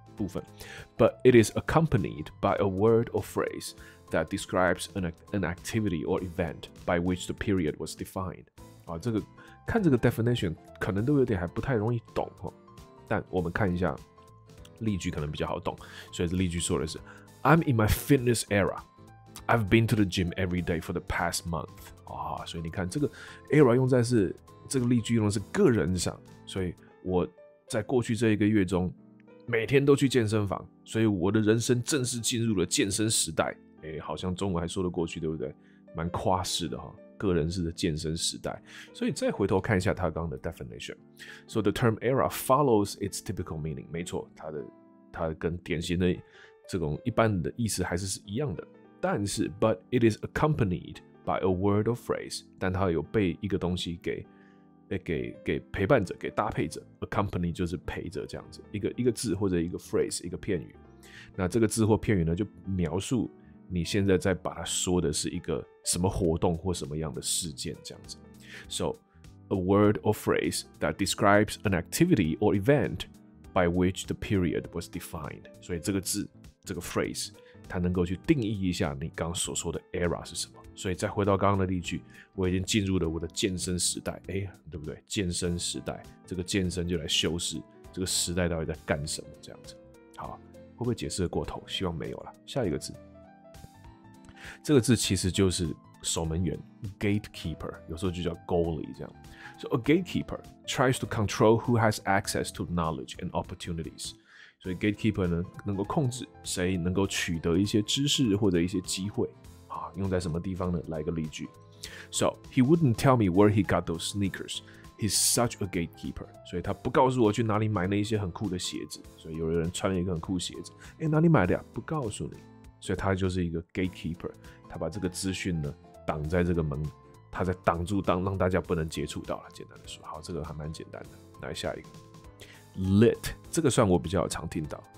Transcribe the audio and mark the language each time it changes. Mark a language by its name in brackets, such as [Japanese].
[English] 部分 ，but it is accompanied by a word or phrase that describes an activity or event by which the period was defined。 [Chinese] 啊，这个看这个 definition 可能都有点还不太容易懂哈，但我们看一下例句可能比较好懂。所以例句说的是 ， [English] I'm in my fitness era。 I've been to the gym every day for the past month。 [Chinese] 啊，所以你看这个 era 用在是这个例句用的是个人上，所以我在过去这一个月中。每天都去健身房，所以我的人生正式进入了健身时代。欸，好像中文还说得过去，对不对？蛮夸式的，个人式的健身时代。所以再回头看一下他刚刚的 definition。 [English] So the term era follows its typical meaning。 [Chinese] 没错，它跟典型的这种一般的意思还是一样的。但是 [English] ，but it is accompanied by a word or phrase。 [Chinese] 但它有被一个东西给陪伴着，给搭配着 ，accompany 就是陪着这样子，一个字或者一个 phrase 一个片语，那这个字或片语呢，就描述你现在在把它说的是一个什么活动或什么样的事件这样子。 [English] So a word or phrase that describes an activity or event by which the period was defined。 [Chinese] 所以这个字这个 phrase 它能够去定义一下你刚所说的 era 是什么。所以再回到刚刚的例句，我已经进入了我的健身时代，哎，对不对？健身时代，这个健身就来修饰这个时代到底在干什么？这样子，好，会不会解释的过头？希望没有了。下一个字，这个字其实就是守门员 （gatekeeper）， 有时候就叫 goalie 这样。 [English] So a gatekeeper tries to control who has access to knowledge and opportunities. [Chinese] 所以 gatekeeper 呢，能够控制谁能够取得一些知识或者一些机会。好，用在什么地方呢？来个例句。 [English] So he wouldn't tell me where he got those sneakers. He's such a gatekeeper. [Chinese] 所以他不告诉我去哪里买那些很酷的鞋子。所以有人穿了一个很酷鞋子，哎，哪里买的呀？不告诉你。所以他就是一个 gatekeeper， 他把这个资讯呢挡在这个门，他在挡住当让大家不能接触到了。简单的说，好，这个还蛮简单的。来下一个 ，lit， 这个算我比较常听到。